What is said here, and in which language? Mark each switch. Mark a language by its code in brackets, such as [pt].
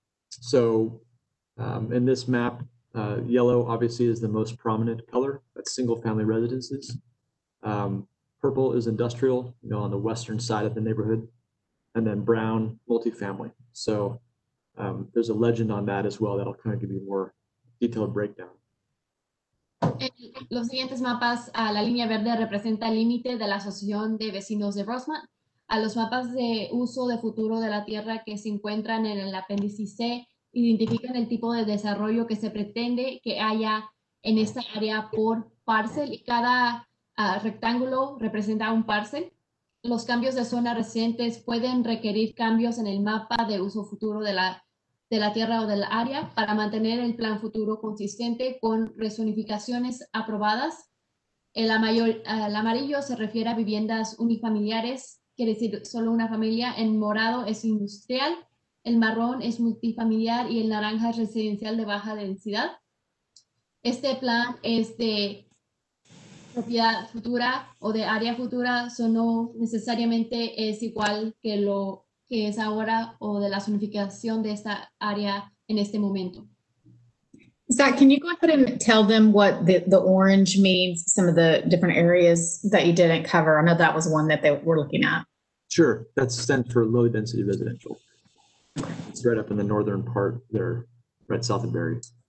[en] So in this map, yellow obviously is the most prominent color. That's single family residences. Purple is industrial, you know, on the western side of the neighborhood. And then brown, multifamily. So there's a legend on that as well that'll kind of give you more detailed breakdown. [es] En los siguientes mapas, la línea verde representa el límite de la asociación de vecinos de Rosemont. A los mapas de uso de futuro de la tierra que se encuentran en el apéndice C identifican el tipo de desarrollo que se pretende que haya en esta área por parcel. Cada rectángulo representa un parcel. Los cambios de zona recientes pueden requerir cambios en el mapa de uso futuro de la tierra o del área para mantener el plan futuro consistente con rezonificaciones aprobadas. El amarillo se refiere a viviendas unifamiliares, quiere decir solo una familia. El morado es industrial, el marrón es multifamiliar y el naranja es residencial de baja densidad. Este plan es de propiedad futura o de área futura, so no necesariamente es igual que lo que es ahora o de la zonificación de esta área en este momento. [en] Zach, can you go ahead and tell them what the orange means, some of the different areas that you didn't cover? I know that was one that they were looking at. Sure, that's stands for low density residential. It's right up in the northern part there, right south of Barrie.